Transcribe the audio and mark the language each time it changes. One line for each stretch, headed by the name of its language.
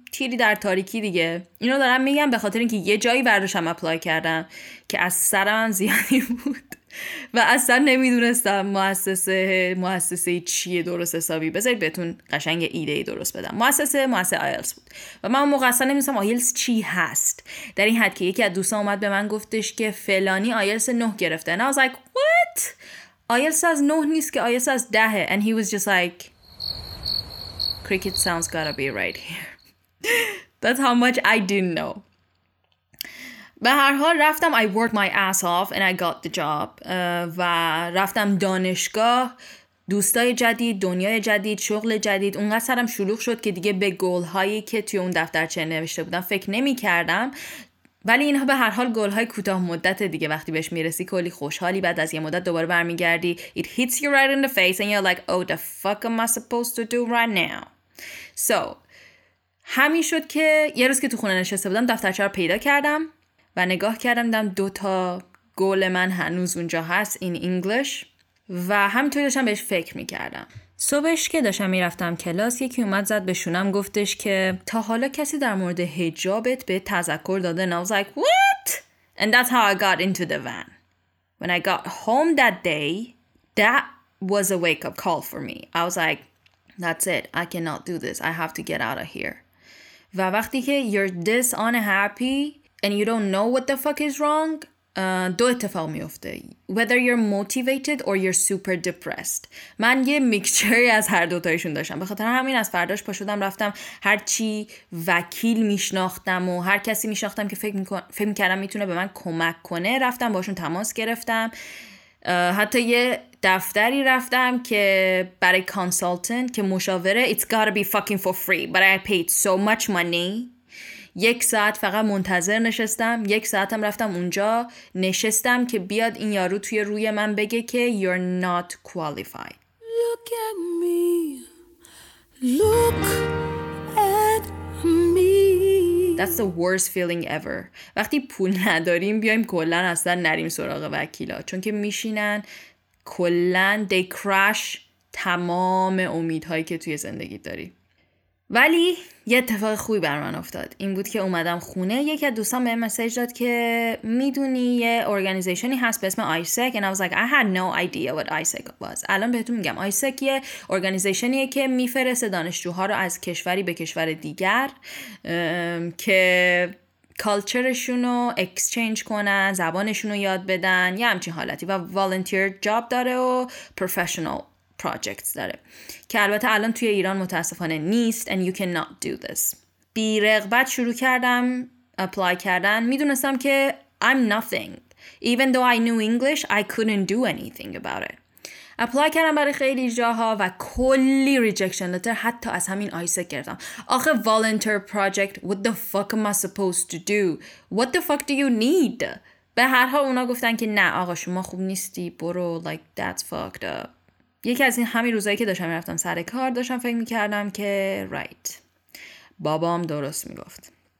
Persian: تیری در تاریکی دیگه. اینو دارم میگم به خاطر اینکه یه جایی برداشتم اپلای کردم که از سر من زیادی بود و اصلا نمیدونستم مؤسسه چیه درست حسابی. بذارید بهتون قشنگ ایده ای درست بدم. مؤسسه آیلتس بود و من اون موقع اصلا نمیدونستم آیلتس چی هست، در این حد که یکی از دوستان اومد به من گفتش که فلانی آیلتس 9 گرفته.
English: And I was like what؟ IELTS
Persian: از 9 نیست که،
English: IELTS
Persian: از 10.
English: And he was just like cricket sounds gotta be right here. That's how much I didn't know.
Persian: به هر حال رفتم،
English: I worked my ass off and I got the job.
Persian: و رفتم دانشگاه، دوستای جدید، دنیای جدید، شغل جدید. اونقدر سرم شلوغ شد که دیگه به گول هایی که توی اون دفترچه نوشته بودم فکر نمی کردم، ولی اینها به هر حال گل‌های کوتاه مدته دیگه. وقتی بهش میرسی کلی خوشحالی، بعد از یه مدت دوباره برمیگردی.
English: It hits you right in the face and you're like, oh, the fuck am I supposed to do right now?
Persian: So, همین شد که یه روز که تو خونه نشسته بودم دفترچه رو پیدا کردم و نگاه کردم، دم دو تا گل من هنوز اونجا هست
English: in English
Persian: و همینطوری داشتم بهش فکر میکردم. صبحش که داشتم میرفتم کلاس یکی اومد زد به شونم، گفتش که تا حالا کسی در مورد حجابت به تذکر داده؟
English: And I was like, what? And that's how I got into the van. When I got home that day, that was a wake-up call for me. I was like, that's it. I cannot do this. I have to get out of here.
Persian: و وقتی که
English: you're this unhappy and you don't know what the fuck is wrong،
Persian: دو اتفاق میفته،
English: whether you're motivated or you're super depressed.
Persian: من یه میکچری از هر دوتایشون داشتم. به خاطر همین از فرداش پاشدم رفتم هر چی وکیل میشناختم و هر کسی میشناختم که فکر میکردم میتونه به من کمک کنه، رفتم باشون تماس گرفتم. حتی یه دفتری رفتم که برای کانسالتنت که مشاوره،
English: it's gotta be fucking for free but I paid so much money.
Persian: یک ساعت فقط منتظر نشستم، یک ساعتم رفتم اونجا نشستم که بیاد این یارو توی روی من بگه که
English: you're not qualified. Look at me. Look at me. That's the worst feeling ever.
Persian: وقتی پول نداریم بیایم کلن اصلا نریم سراغ وکیلا، چون که میشینن کلن
English: they crash
Persian: تمام امیدهایی که توی زندگی داری. ولی یه اتفاق خوبی بر من افتاد. این بود که اومدم خونه، یکی از دوستان به مسیج داد که میدونی یه ارگانیزیشنی هست به اسم ISEC.
English: And I was like, I had no idea what ISEC was.
Persian: الان بهتون میگم. ISEC یه ارگانیزیشنیه که میفرسته دانشجوها رو از کشوری به کشور دیگر که کالچرشون رو اکسچینج کنن، زبانشون رو یاد بدن، یه همچین حالتی. و والنتیر جاب داره و پروفشنال projects داره، که البته الان توی ایران متاسفانه نیست.
English: And you cannot do this.
Persian: بی رغبت شروع کردم اپلای کردن. میدونستم که
English: I'm nothing. Even though I knew English, I couldn't do anything about it.
Persian: اپلای کردم برای خیلی جاها و کلی rejection letter، حتی از همین ISEC گرفتم. آخه
English: volunteer project، what the fuck am I supposed to do? What the fuck do you need?
Persian: به هر حال اونا گفتن که نه آقا شما خوب نیستی، برو،
English: like that's fucked up.
Persian: یکی از این همین روزایی که داشتم میرفتم سر کار، داشتم فکر میکردم که right، بابام درست میگفت.